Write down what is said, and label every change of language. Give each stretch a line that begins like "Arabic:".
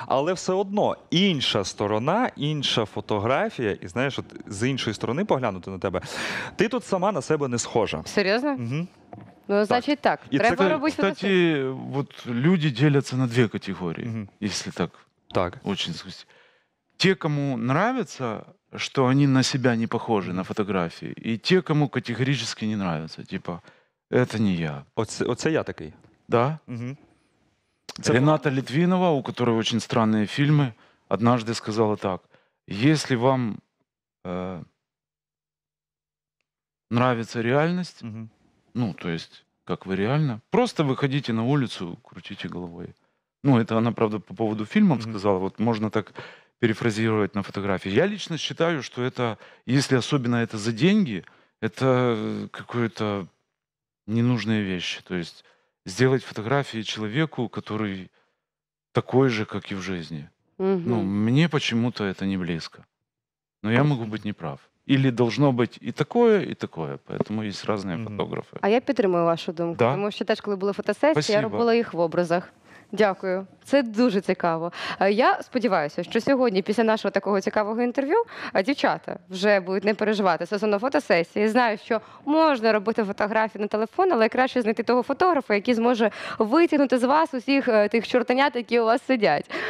Ukrainian: Але все одно інша сторона, інша фотографія, і знаєш, от з іншої сторони поглянути на тебе. Ти тут сама на себе не схожа. Серйозно? Угу. Ну, значить, так. І треба робити. Кстати, от люди діляться на дві категорії, якщо так. Так. Очень схожі.
Russian: Те, кому нравится, что они на себя не похожи на фотографии, и те, кому категорически не нравится, типа, это не я. Оце я такой. Да? Угу. Рената Литвинова, у которой очень странные фильмы, однажды сказала так: если вам нравится реальность, угу. Ну, то есть, как вы реально, просто выходите на улицу, крутите головой. Ну, это она, правда, по поводу фильмов угу. сказала, вот можно так перефразировать на фотографии. Я лично считаю, что это, если особенно это за деньги, это какая-то ненужная вещь. То есть сделать фотографии человеку, который такой же, как и в жизни. Угу. Ну, мне почему-то это не близко. Но я могу быть неправ. Или должно быть и такое, поэтому есть разные угу. фотографы.
Ukrainian: А я підтримую вашу думку,
Russian: да?
Ukrainian: Тому що теж, коли була фотосесія, я робила їх в образах. Дякую, це дуже цікаво. Я сподіваюся, що сьогодні, після нашого такого цікавого інтерв'ю, дівчата вже будуть не переживати стосовно фотосесії. Знаю, що можна робити фотографії на телефон, але краще знайти того фотографа, який зможе витягнути з вас усіх тих чортенят, які у вас сидять.